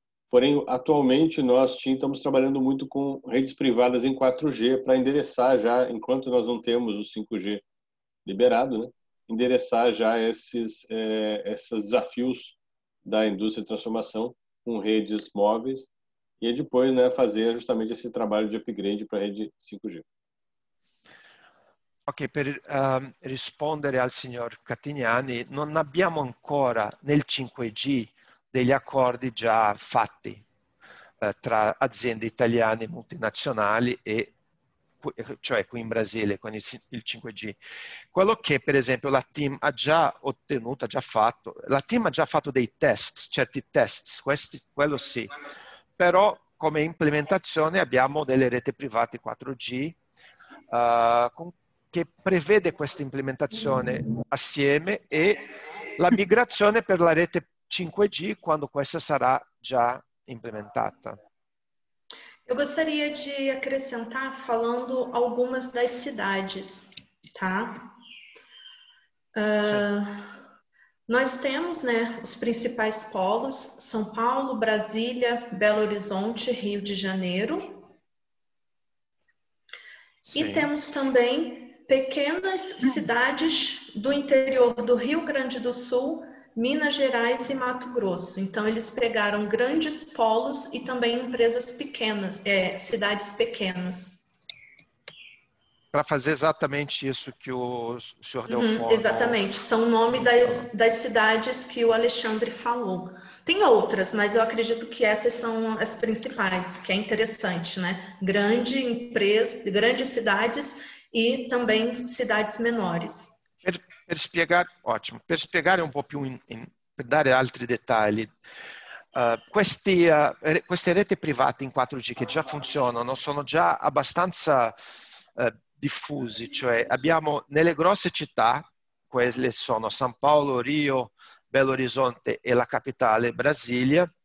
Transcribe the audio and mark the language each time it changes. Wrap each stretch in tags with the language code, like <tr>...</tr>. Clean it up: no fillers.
<pt>Porém, atualmente, nós estamos trabalhando muito com redes privadas em 4G para endereçar já, enquanto nós não temos o 5G liberado, né? Endereçar já esses desafios da indústria de transformação com redes móveis e depois, né, fazer justamente esse trabalho de upgrade para a rede 5G.</pt> <it>Ok, per rispondere al signor Cattignani, non abbiamo ancora nel 5G degli accordi già fatti tra aziende italiane multinazionali e cioè qui in Brasile con il 5G. Quello che per esempio la TIM ha già ottenuto, ha già fatto, la TIM ha già fatto dei test, certi test, questi, quello sì, però come implementazione abbiamo delle reti private 4G che prevede questa implementazione assieme e la migrazione per la rete 5G, quando essa</it> <pt>será já implementada? Eu gostaria de acrescentar falando algumas das cidades, tá? Nós temos, né, os principais polos, São Paulo, Brasília, Belo Horizonte, Rio de Janeiro. Sim. E temos também pequenas cidades do interior do Rio Grande do Sul, Minas Gerais e Mato Grosso. Então, eles pegaram grandes polos e também empresas pequenas, cidades pequenas. Para fazer exatamente isso que o senhor deu conta. Exatamente. São o nome das cidades que o Alexandre falou. Tem outras, mas eu acredito que essas são as principais, que é interessante, né? Grande empresa, grandes cidades e também cidades menores.</pt> <it>Per spiegare un po' più, per dare altri dettagli, queste reti private in 4G che già funzionano sono già abbastanza diffusi, cioè abbiamo nelle grosse città, quelle sono San Paolo, Rio, Belo Horizonte e la capitale Brasilia,</it>